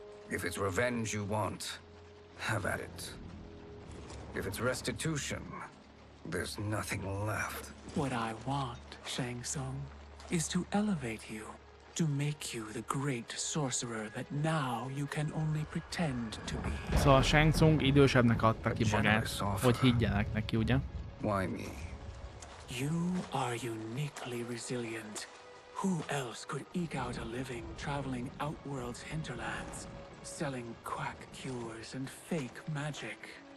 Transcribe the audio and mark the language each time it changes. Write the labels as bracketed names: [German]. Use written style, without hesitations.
[English] If it's revenge you want, have at it. If it's restitution, there's nothing left. What I want, Shang Tsung, is to elevate you, to make you the great sorcerer that now you can only pretend to be. [Hungarian] So Shang Tsung idősebbnek adta ki magát, hogy higgyenek neki, ugye? [English] Why me? You are uniquely resilient. Who else could eke out a living traveling Outworld's hinterlands, selling quack cures and fake magic?